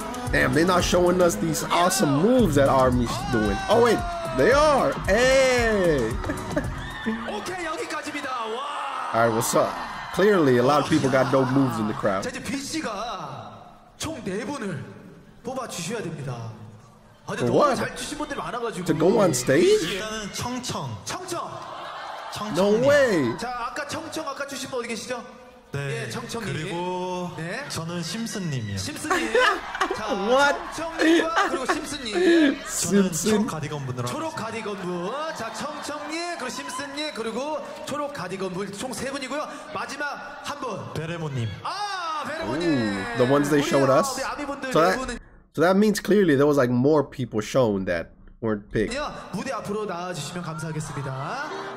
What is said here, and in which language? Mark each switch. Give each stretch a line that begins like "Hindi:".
English: Damn, they're not showing us these awesome moves that ARMY's doing. Oh wait, they are. Hey. Okay,
Korean: 여기까지입니다.
English: Wow. All right, what's up? Clearly, a lot of people got no moves in the crowd.
Korean: 이제 BC가 총 네 분을 뽑아 주셔야 됩니다. 아주 너무 잘 주신 분들 많아가지고.
English: To go on stage?
Korean: 일단은 청청. 청청.
English: No way.
Korean: 자, 아까 청청 아까 주신 분 어디 계시죠? 네. 예, 청청 님. 그리고 네. 저는 심슨 님이요. 심슨 님. 자,
English: what?
Korean: 청청과 그리고 심슨 님. 저는 초록 가디건 분으로. 초록 가디건 분. 자, 청청 님, 그리고 심슨 님, 그리고 초록 가디건 분 총 세 분이고요. 마지막 한 분. 베레모 님. 아, 베레모 님.
English: The ones they showed us.
Korean: 우리 아미 분들 세 분은.
English: So that means clearly there was like more people shown that weren't picked.
Korean: 예, 무대 앞으로 나와 주시면 감사하겠습니다.